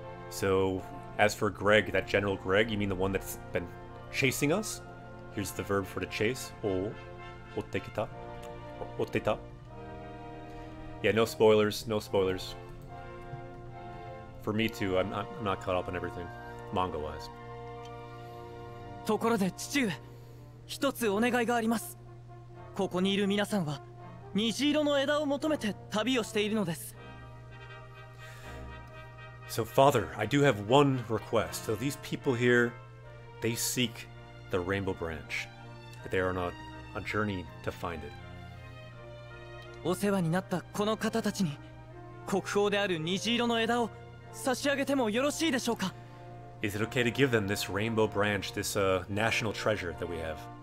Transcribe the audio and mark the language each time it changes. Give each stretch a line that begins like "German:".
English: So, as for Greg, that General Greg, you mean the one that's been chasing us? Here's the verb for to chase. Oh.
Japanese: Ottekita. Otteta.
English: Yeah, no spoilers. No spoilers. For me too, I'm not caught up on everything. Manga-wise.
Japanese: ところで、父上、一つお願いがあります。ここにいる皆さんは、虹色の枝を求めて旅をしているのです。
English: So, Father, I do have one request. So, these people here, they seek the rainbow branch. They are on a journey to find it.
Japanese: お世話になったこの方たちに、国宝である虹色の枝を差し上げてもよろしいでしょうか?
English: Is it okay to give them this rainbow branch, this national treasure that we have?